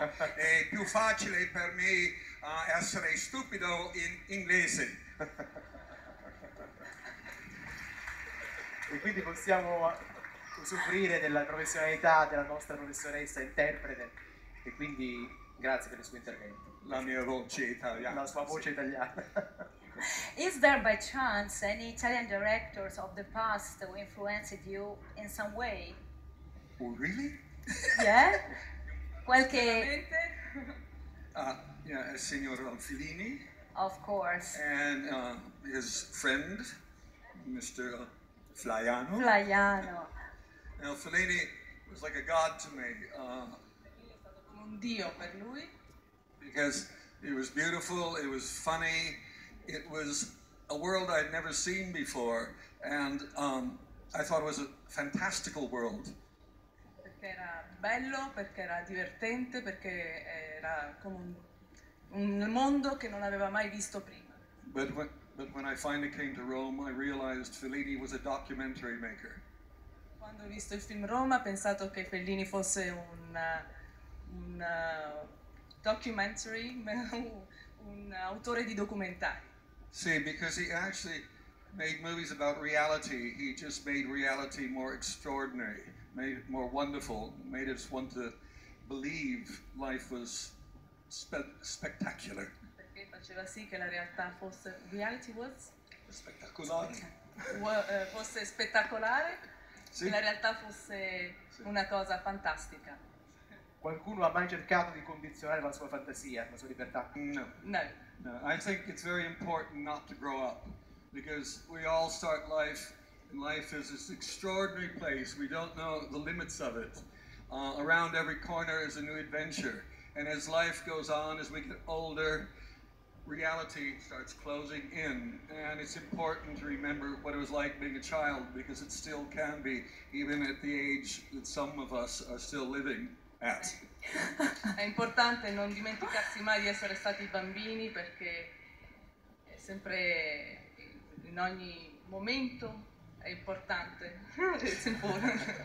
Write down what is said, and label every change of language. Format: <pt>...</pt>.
<it>È più facile per me essere stupido in inglese. E quindi possiamo usufruire della professionalità della nostra professoressa interprete. E quindi grazie per il suo intervento. La mia voce italiana, La sua sì. voce italiana.</it> <en>Is there by chance any Italian directors of the past who influenced you in some way? Oh, really? Yeah?</en> <it>Qualche. Veramente? Signor Fellini</it> <en>Of course. and his friend, Mr. Flaiano. Flaiano. Now, Fellini was like a god to me.</en> <it>Un dio per lui.</it> <en>Because it was beautiful, it was funny, it was a world I'd never seen before, and I thought it was a fantastical world.</en> <it>Era bello, perché era divertente, perché era come un mondo che non aveva mai visto prima.</it> <en>But when I finally came to Rome, I realized Fellini was a documentary maker.</en> <it>Quando ho visto il film Roma, ho pensato che Fellini fosse un documentary, un autore di documentari.</it> <en>See, because he actually made movies about reality, he just made reality more extraordinary, made it more wonderful, made us want to believe life was spettacolare.</en> <it>Faceva sì che la realtà fosse reality Spettacolare. fosse spettacolare, che la Sì. realtà fosse una cosa fantastica. Qualcuno ha mai cercato di condizionare la sua fantasia, la sua libertà? No. No.</it> <en>No, I think it's very important not to grow up because we all start life, and life is this extraordinary place. We don't know the limits of it. Around every corner is a new adventure. And as life goes on, as we get older, reality starts closing in. And it's important to remember what it was like being a child because it still can be, even at the age that some of us are still living at.</en> <it>È importante non dimenticarsi mai di essere stati bambini, perché è sempre, in ogni momento è importante, è sempre</it>